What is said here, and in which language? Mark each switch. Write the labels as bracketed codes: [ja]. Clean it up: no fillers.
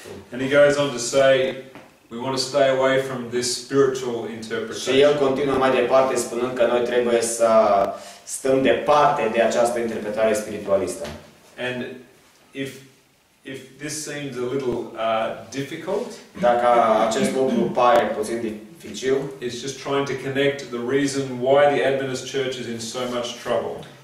[en] And he goes on to say, we want to stay away from this spiritual interpretation. [ro] Și el continuă mai departe spunând că noi trebuie să stăm departe de această interpretare spiritualistă. [en] And if this seems a little difficult, [ro] dacă acest lucru pare puțin dificil, [en] it's just trying to connect the reason why the Adventist Church is in so much trouble.